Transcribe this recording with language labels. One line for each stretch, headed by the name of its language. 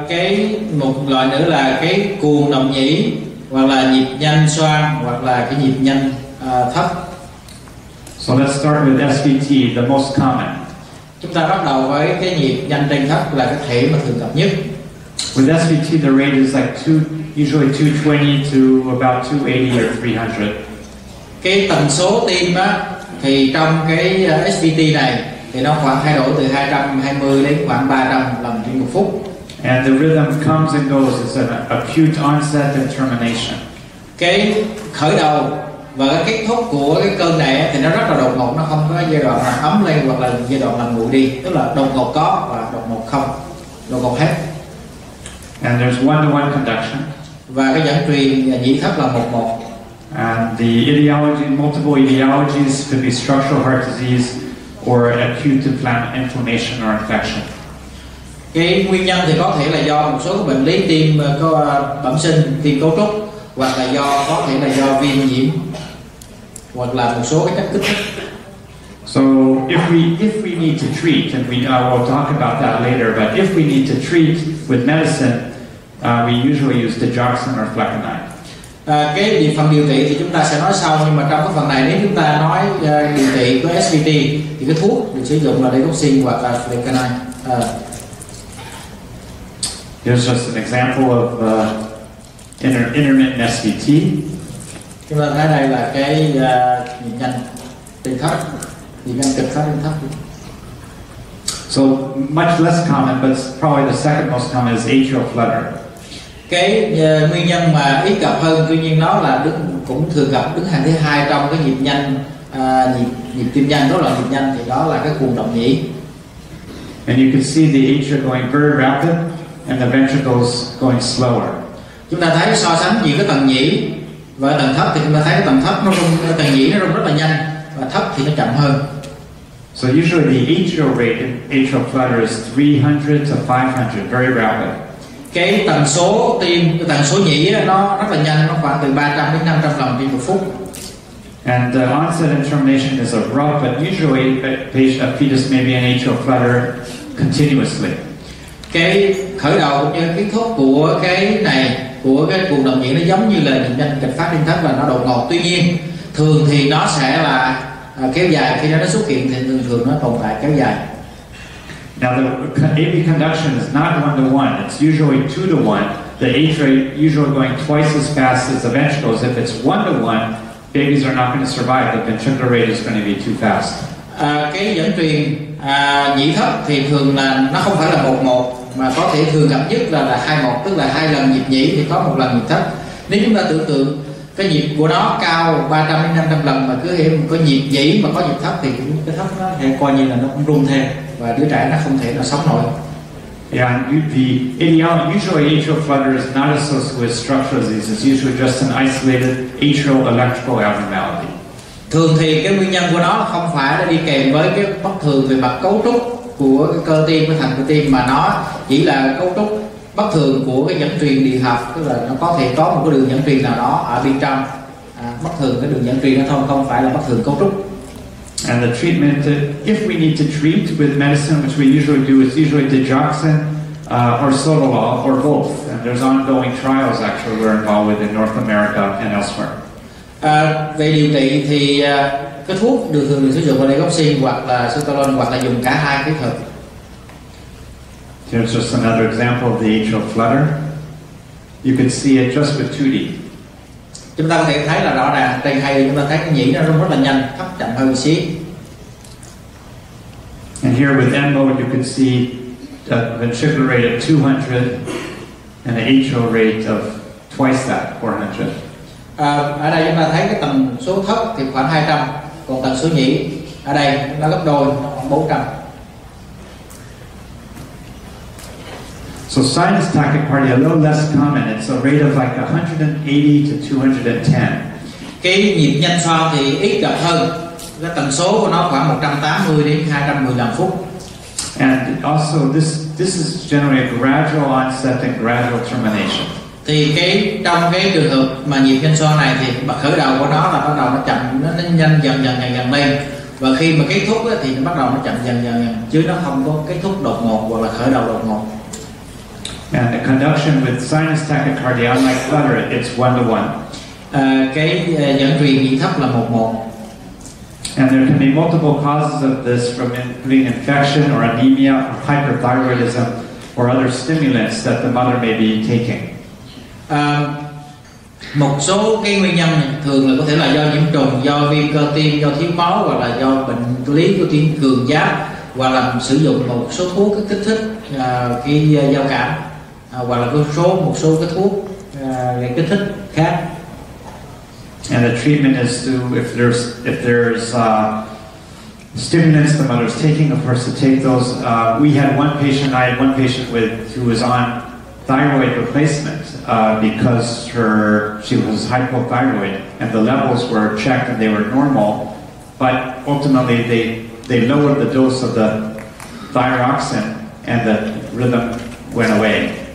Vietnamese: Cái một loại nữa là cái cuồng động nhĩ, hoặc là nhịp nhanh xoang, hoặc là cái nhịp nhanh thấp.
English: So let's start with SVT, the most common.
Vietnamese: Chúng ta bắt đầu với cái nhịp nhanh trên thấp là cái thể mà thường gặp nhất.
English: With SVT, the rate is like usually 220 to about 280 or 300.
Vietnamese: Cái tần số tim á, thì trong cái SVT này thì nó khoảng thay đổi từ 220 đến khoảng 300 lần trên một phút.
English: And the rhythm comes and goes. It's an acute onset and termination.
Vietnamese: Cái khởi đầu và cái kết thúc của cái cơn này thì nó rất là đột ngột, nó không có giai đoạn là ấm lên hoặc là giai đoạn là ngủ đi, tức là đột ngột có và đột ngột không, đột ngột hết.
English: And there's one-to-one conduction.
Vietnamese: Và cái dẫn truyền nhĩ thất là 1:1.
English: And the etiology, multiple etiologies could be structural heart disease or acute inflammation or infection.
Vietnamese: Cái nguyên nhân thì có thể là do một số bệnh lý tim có bẩm sinh, tim cấu trúc, hoặc là do có thể là do viêm nhiễm, hoặc là một số cái chất kích thích.
English: So if we need to treat, and we will talk about that later, but if we need to treat with medicine, we usually use digoxin or flecainide.
Vietnamese: Cái về phần điều trị thì chúng ta sẽ nói sau, nhưng mà trong cái phần này nếu chúng ta nói điều trị với SVT thì cái thuốc được sử dụng là digoxin hoặc là flecainide.
English: Here's just an example of intermittent SVT.
Vietnamese: Chúng ta thấy đây là cái nhịp nhanh trên thấp, nhịp nhanh trên thấp, trên thấp.
English: So much less common, but probably the second most common is atrial flutter.
Vietnamese: Cái nguyên nhân mà ít gặp hơn, tuy nhiên nó là cũng thường gặp, đứng hàng thứ hai trong cái nhịp nhanh, nhịp tim nhanh, đó là nhịp nhanh, thì đó là cái cuồng động nhĩ.
English: And you can see the atria going very rapid and the ventricles going slower.
Vietnamese: Chúng ta thấy so sánh giữa cái tầng nhĩ và tầng thấp thì chúng ta thấy cái tầng thấp nó rung, cái tầng nhĩ nó rung rất là nhanh và thấp thì nó chậm hơn.
English: So usually the atrial rate in atrial flutter is 300 to 500, very rapid. K
Vietnamese: cái tần số tim, cái tần số nhĩ nó rất là nhanh, nó khoảng từ 300 đến 500 lần trên một phút.
English: And the onset inflammation is abrupt, but usually a fetus may be in atrial flutter continuously.
Vietnamese: Cái khởi đầu cũng như kết thúc của cái này, của cái cuộc động nhĩ, nó giống như là bệnh nhân kịch phát liên thất và nó đột ngột. Tuy nhiên, thường thì nó sẽ là kéo dài, khi nó xuất hiện thì thường thường nó tồn tại kéo dài.
English: Now the AV conduction is not 1-to-1, it's usually 2-to-1. The atria usually going twice as fast as the ventricles. If it's 1-to-1, babies are not going to survive. The ventricular rate is going to be too fast.
Vietnamese: Cái dẫn truyền nhĩ thất thì thường là nó không phải là 1-1, mà có thể thường gặp nhất là 2-1, tức là hai lần nhịp nhĩ thì có một lần nhịp thất. Nếu chúng ta tưởng tượng cái nhịp của nó cao 300 đến 500 lần mà cứ hiểu có nhịp nhĩ mà có nhịp thất thì cái thất nó hay coi như là nó cũng rung theo và đứa trẻ nó không thể nào sống nổi.
English: Yeah, the etiology, usually atrial flutter is not associated with structural disease. It's usually just an isolated atrial electrical abnormality.
Vietnamese: Thường thì cái nguyên nhân của nó không phải là đi kèm với cái bất thường về mặt cấu trúc của cái cơ tim, của thành cơ tim, mà nó chỉ là cấu trúc bất thường của cái dẫn truyền điện học, tức là nó có thể có một cái đường dẫn truyền nào đó ở bên trong bất thường cái đường dẫn truyền đó thôi, không phải là bất thường cấu trúc.
English: And the treatment, if we need to treat with medicine, which we usually do, is usually digoxin or sotalol or both. And there's ongoing trials actually we're involved with in North America and elsewhere.
Vietnamese: Về điều trị thì cái thuốc được thường được sử dụng là digoxin hoặc là sotalol hoặc là dùng cả hai kết hợp.
English: Here's just another example of the atrial flutter. You can see it just with 2D.
Vietnamese: Chúng ta có thể thấy là rõ ràng trên hay chúng ta thấy cái nhĩ nó rung rất là nhanh, thấp chậm hơn một xí.
English: And here with MO you can see the ventricular rate of 200 and the atrial rate of twice that, 400.
Vietnamese: Ở đây chúng ta thấy cái tần số thấp thì khoảng 200, còn tần số nhĩ ở đây nó gấp đôi, nó khoảng 400.
English: So sinus tachycardia, a little less common. It's a rate of like 180 to 210.
Vietnamese: Cái nhịp nhanh xoa thì ít gặp hơn. Cái tần số của nó khoảng 180 đến 210 lần phút.
English: And also this is generally a gradual onset and gradual termination.
Vietnamese: Thì cái trong cái trường hợp mà nhịp nhanh xoa này thì mà khởi đầu của nó là bắt đầu nó chậm, nó nhanh dần dần lên. Và khi mà kết thúc thì nó bắt đầu nó chậm dần, chứ nó không có kết thúc đột ngột hoặc là khởi đầu đột ngột.
English: And the conduction with sinus tachycardia, unlike flutter, it's 1-to-1.
Vietnamese: Cái dẫn truyền nhĩ thấp là 1-1.
English: And there can be multiple causes of this, from including infection or anemia or hyperthyroidism or other stimulants that the mother may be taking.
Vietnamese: Một số cái nguyên nhân thường là có thể là do nhiễm trùng, do viêm cơ tim, do thiếu máu, hoặc là do bệnh lý của tuyến cường giáp, hoặc là sử dụng một số thuốc kích thích khi giao cảm. Hoặc là một số cái thuốc gây kích thích khác.
English: And the treatment is to if there's stimulants the mother's taking, of course to take those. I had one patient who was on thyroid replacement because she was hypothyroid and the levels were checked and they were normal, but ultimately they lowered the dose of the thyroxin and the rhythm went away.